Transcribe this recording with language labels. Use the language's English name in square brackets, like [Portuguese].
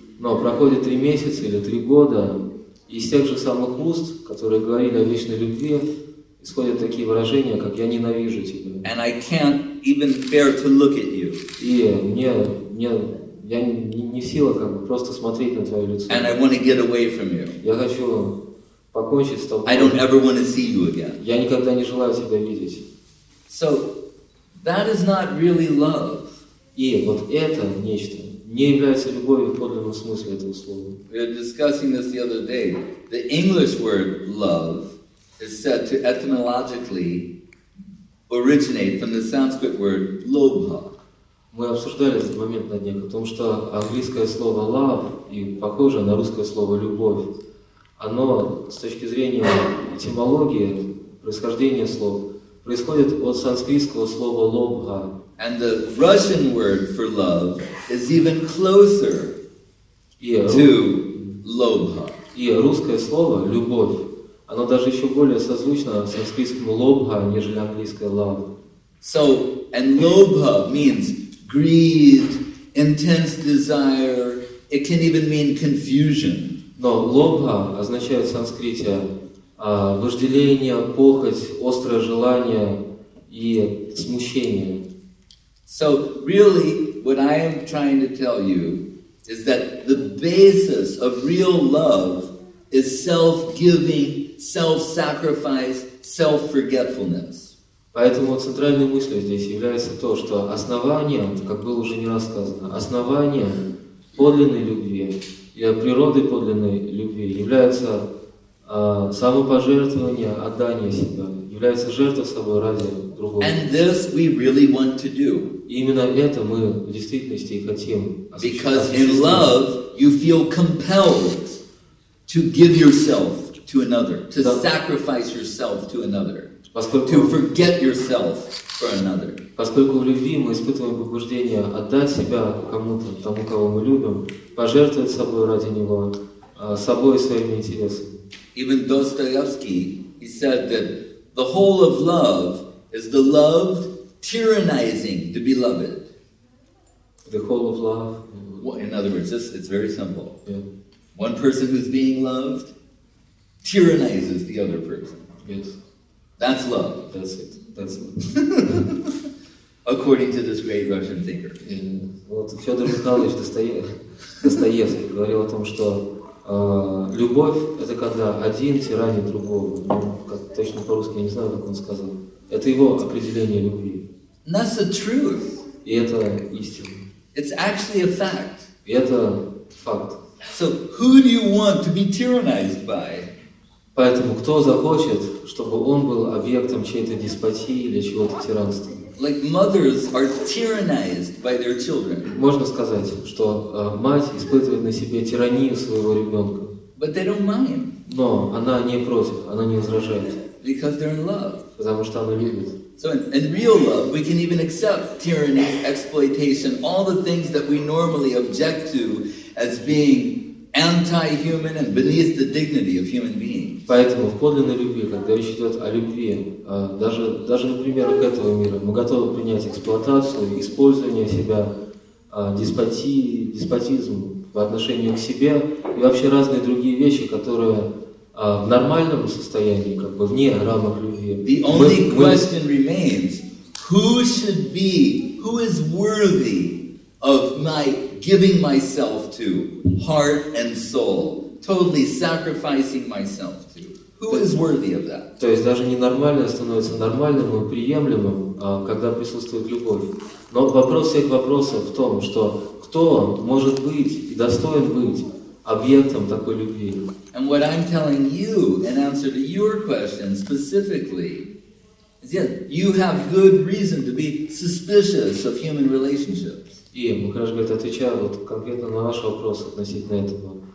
[Russian] Но проходит 3 месяца или 3 года, и из тех же самых уст, которые говорили о вечной любви, исходят такие выражения, как «Я ненавижу тебя». [English] And I can't even bear to look at you. [Russian] И мне я не в силах как бы просто смотреть на твое лицо. [English] And I want to get away from you. [Russian] Я хочу покончить с тобой. [English] I don't ever want to see you again. [Russian] Я никогда не желаю тебя видеть. [English] So, that is not really love. [Russian] И вот это нечто не является любовью в подлинном смысле этого слова. [English] We were discussing this the other day. The English word love is said to etymologically originate from the Sanskrit word lobha. [Russian] Мы обсуждали этот момент на днях о том, что английское слово love и похоже на русское слово любовь. Оно с точки зрения этимологии происхождения слов происходит от санскритского слова lobha. [English] And the Russian word for love is even closer to lobha. [Russian] И русское слово любовь, оно даже еще более созвучно санскритскому lobha, нежели английское love. [English] So, and lobha means greed, intense desire, it can even mean confusion. [Russian] Но лобха означает в санскрите вожделение, похоть, острое желание и смущение. [English] So really what I am trying to tell you is that the basis of real love is self-giving, self-sacrifice, self-forgetfulness. [Russian] Поэтому центральной мыслью здесь является то, что основанием, как было уже не раз сказано, основанием подлинной любви и природы подлинной любви является самопожертвование, отдание себя, является жертва собой ради другого. [English] And this we really want to do. [Russian] И именно это мы в действительности и хотим осуществить. [English] Because in love you feel compelled to give yourself to another, to sacrifice yourself to another. To forget yourself for another. [Russian] Поскольку в любви мы испытываем побуждение отдать себя кому-то, тому, кого мы любим, пожертвовать собой ради него, собой и своими интересами. [English] Even Dostoevsky, he said that the whole of love is the loved tyrannizing the beloved. The whole of love. Well, in other words, it's very simple. Yeah. One person who's being loved tyrannizes the other person. Yes. That's love. That's it. That's love. According to this great Russian thinker. [Russian] Вот Федор Михайлович Достоевский говорил о том, что любовь — это когда один тиранит другого. Точно по-русски, я не знаю, как он сказал. Это его определение любви. [English] That's the truth. [Russian] И это истина. [English] It's actually a fact. [Russian] И это факт. [English] So who do you want to be tyrannized by? [Russian] Поэтому кто захочет, чтобы он был объектом чьей-то деспотии или чего-то тиранства? [English] Like mothers are tyrannized by their children. [Russian] Можно сказать, что мать испытывает на себе тиранию своего ребенка. [English] But they don't mind. [Russian] Но она не против, она не возражает. [English] Because they're in love. [Russian] Потому что она любит. [English] So in real love, we can even accept tyranny, exploitation, all the things that we normally object to as being anti-human and beneath the dignity of human beings. [Russian] Поэтому в подлинной любви, когда речь идет о любви, даже, например, к этого мира, мы готовы принять эксплуатацию, использование себя, деспотизм по отношению к себе и вообще разные другие вещи, которые в нормальном состоянии, как бы вне рамок любви. [English] The only question remains, who should be, who is worthy of my giving myself to, heart and soul, totally sacrificing myself to? Who is worthy of that? [Russian] То есть даже ненормальное становится нормальным и приемлемым, когда присутствует любовь. Но вопрос всех вопросов в том, что кто может быть и достоин быть объектом такой любви? [English] And what I'm telling you in answer to your question specifically is that you have good reason to be suspicious of human relationships. [Russian] И, как раз говорит, отвечаю вот конкретно на ваш вопрос относительно этого.